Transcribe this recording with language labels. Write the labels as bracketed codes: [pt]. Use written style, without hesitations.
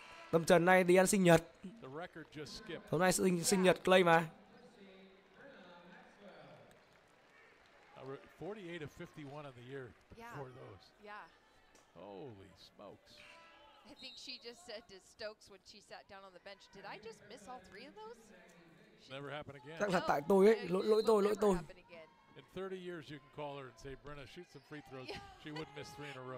[vi] Tâm trần này đi ăn sinh nhật. Hôm nay sinh nhật Clay mà. [en] 48 of 51 on the year before those. Yeah. Holy smokes. I think she just said to Stokes when she sat down on the bench, did I just miss all three of those? Never happen again. [vi] Chắc là tại tôi ấy, lỗi tôi. [en] In 30 years you can call her and say Brenna shoot some free throws. She wouldn't miss three in a row.